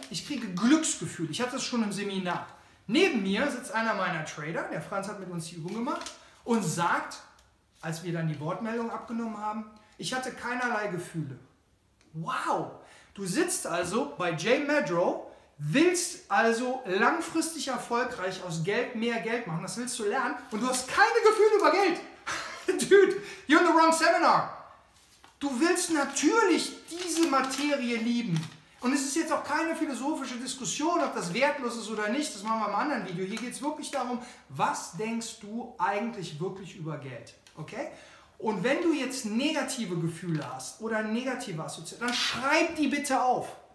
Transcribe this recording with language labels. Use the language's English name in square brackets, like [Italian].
[German] Ich kriege Glücksgefühl, ich hatte das schon im Seminar. Neben mir sitzt einer meiner Trader, der Franz hat mit uns die Übung gemacht, und sagt, als wir dann die Wortmeldung abgenommen haben, ich hatte keinerlei Gefühle. Wow! Du sitzt also bei Jay Madrow, willst also langfristig erfolgreich aus Geld mehr Geld machen, das willst du lernen und du hast keine Gefühle über Geld. [English] Dude, you're in the wrong seminar. [German] Du willst natürlich diese Materie lieben. Und es ist jetzt auch keine philosophische Diskussion, ob das wertlos ist oder nicht. Das machen wir im anderen Video. Hier geht es wirklich darum, was denkst du eigentlich wirklich über Geld? Okay? Und wenn du jetzt negative Gefühle hast oder negative Assoziationen, dann schreib die bitte auf.